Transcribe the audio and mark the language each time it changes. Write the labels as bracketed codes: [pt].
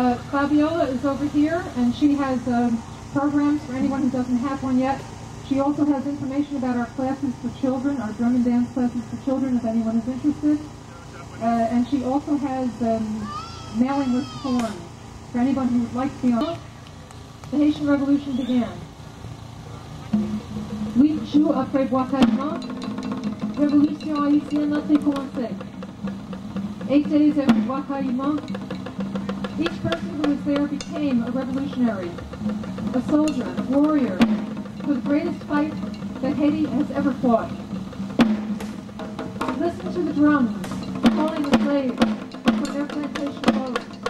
[en] Fabiola is over here, and she has programs for anyone who doesn't have one yet. She also has information about our classes for children, our drum and dance classes for children, if anyone is interested. And she also has mailing list forms for anyone who would like to be on. The Haitian Revolution began. [ht] Oui, chou, après Bwa Kayiman, Révolution haïtienne a commencé. [en] 8 days after Bwa Kayiman, each person who was there became a revolutionary, a soldier, a warrior, for the greatest fight that Haiti has ever fought. Listen to the drums calling the slaves for their plantation boats.